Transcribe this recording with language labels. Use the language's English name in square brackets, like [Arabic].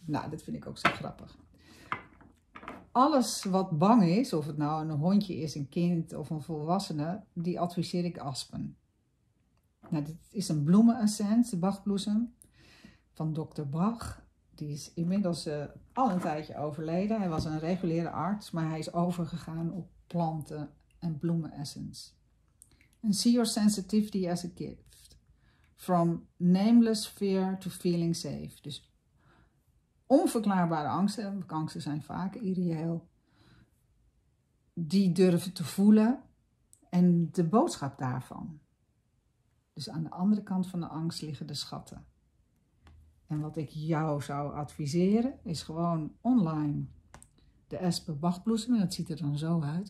[Dutch] Nou, dat vind ik ook zo grappig. Alles wat bang is, of het nou een hondje is, een kind of een volwassene, die adviseer ik aspen. Nou, dit is een bloemenessence, de bachbloesem van Dr. Bach. Die is inmiddels al een tijdje overleden. Hij was een reguliere arts, maar hij is overgegaan op planten en bloemen essence. [English] And see your sensitivity as a gift. From nameless fear to feeling safe. [Dutch] Dus onverklaarbare angsten, want angsten zijn vaak irreëel, die durven te voelen en de boodschap daarvan. Dus aan de andere kant van de angst liggen de schatten. En wat ik jou zou adviseren is gewoon online de Espe Bachbloesem, dat ziet er dan zo uit.